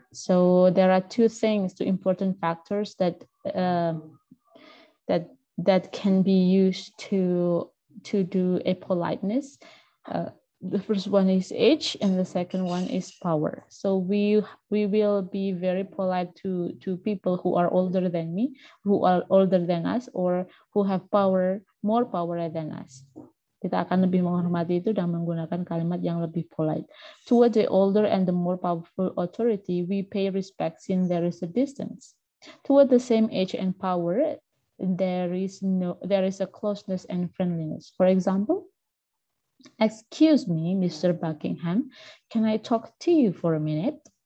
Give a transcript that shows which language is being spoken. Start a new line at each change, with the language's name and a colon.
English: So there are two things, two important factors that that can be used to do a politeness. The first one is age, and the second one is power. So we will be very polite to people who are older than me, who are older than us, or who have power, more power than us.
Indonesian: Kita akan lebih menghormati itu dan menggunakan kalimat yang lebih polite.
English: Toward the older and the more powerful authority, we pay respect since there is a distance. Toward the same age and power, there is a closeness and friendliness. For example, excuse me, Mr. Buckingham, can I talk to you for a minute?